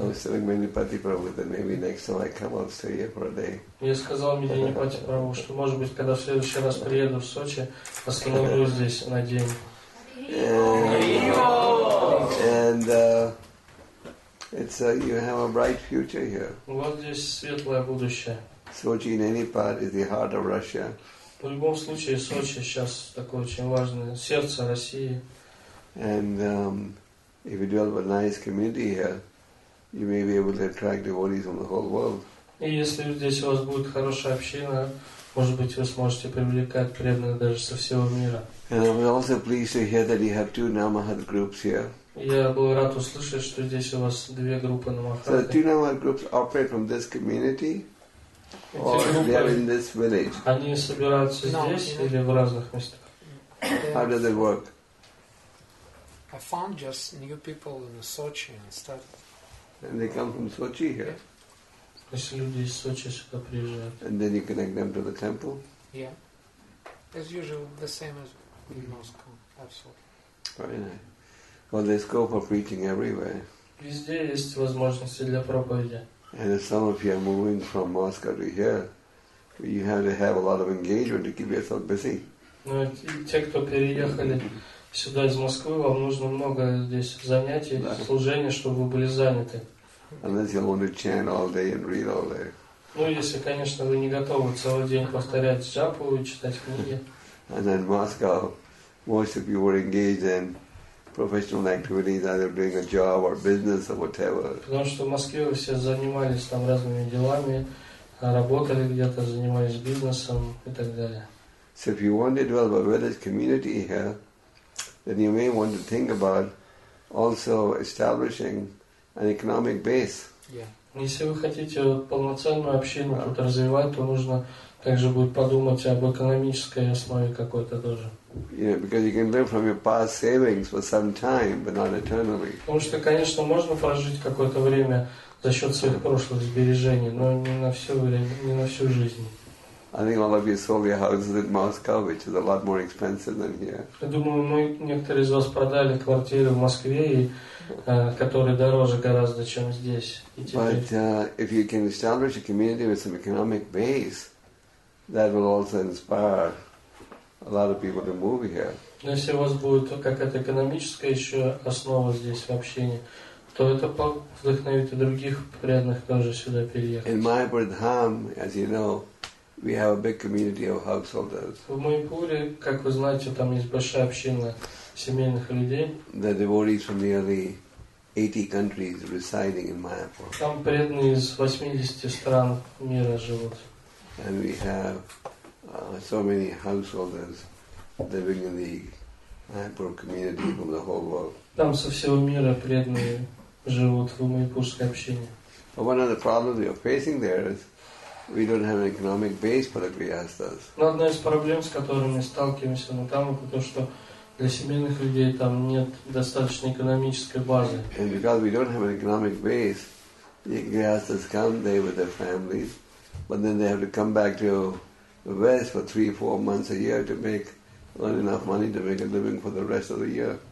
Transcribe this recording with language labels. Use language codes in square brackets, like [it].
[en] I was telling Мединипати Прабху that maybe next time I come, I'll stay here for a day. [ru] Я сказал Мединипати Прабху, что, может быть, когда в следующий раз приеду в Сочи, остановлюсь здесь на день. [en] You have a bright future here. [ru] Вот здесь светлое будущее. [en] Sochi in any part is the heart of Russia. [ru] В любом случае, Сочи сейчас такое очень важное сердце России. [en] And if you develop a nice community here, you may be able to attract devotees from the whole world. [ru] И если здесь у вас будет хорошая община, может быть, вы сможете привлекать преданных даже со всего мира. [en] And I'm also pleased to hear that you have two Namahat groups here. [ru] Я был рад услышать, что здесь у вас две группы Намахат. [en] So the two Namahat groups operate from this community, or they are in this village. [ru] Они собираются здесь или в разных местах? [en] How does it work? I found just new people in Sochi and started. And they come from Sochi here. [ru] То есть люди из Сочи сюда приезжают. [en] And then you connect them to the temple. Yeah, as usual, the same as in Moscow, absolutely. Very nice. Well, there's scope for preaching everywhere. [ru] Везде есть возможности для проповеди. [en] And if some of you are moving from Moscow to here, you have to have a lot of engagement to keep yourself busy. [ru] Но те, кто переехали сюда из Москвы, вам нужно много здесь занятий, служения, чтобы вы были заняты. [en] Unless you want to chant all day and read all day. [ru] Ну, если, конечно, вы не готовы целый день повторять джапу и читать книги. [en] And in Moscow, most of you were engaged in professional activities, either doing a job or business or whatever. [ru] Потому что в Москве вы все занимались там разными делами, работали где-то, занимались бизнесом и так далее. [en] So if you want to develop a village community here, then you may want to think about also establishing an economic base. Yeah. [ru] Если вы хотите полноценную общину тут развивать, то нужно также будет подумать об экономической основе какой-то тоже. [en] Yeah, because you can live from your past savings for some time, but not eternally. [ru] Потому что, конечно, можно прожить какое-то время за счет своих прошлых сбережений, но не на все время, не на всю жизнь. [en] I think all of you sold your houses in Moscow, which is a lot more expensive than here. [ru] Я думаю, мы некоторые из вас продали квартиры в Москве, которые дороже гораздо, чем здесь. [en] But if you can establish a community with some economic base, that will also inspire a lot of people to move here. [ru] Но если у вас будет какая-то экономическая еще основа здесь в общении, то это вдохновит и других преданных тоже сюда переехать. [en] In Mayapur Dham, as you know, we have a big community of householders. [ru] В Майпуре, как вы знаете, там есть большая община семейных людей. [en] The devotees from nearly 80 countries residing in Mayapur. [ru] Там преданные из 80 стран мира живут. [en] And we have so many householders living in the Mayapur community from the whole world. [ru] Там со всего мира преданные живут в Майпурской общине. [en] But one of the problems we are facing there is we don't have an economic base for the Grihasthas. [ru] Но одна из проблем, с которыми сталкиваемся на там, это то, что для семейных людей там нет достаточной экономической базы. [en] And because we don't have an economic base, the Grihasthas come there with their families, but then they have to come back to the West for 3-4 months a year to make earn enough money to make a living for the rest of the year.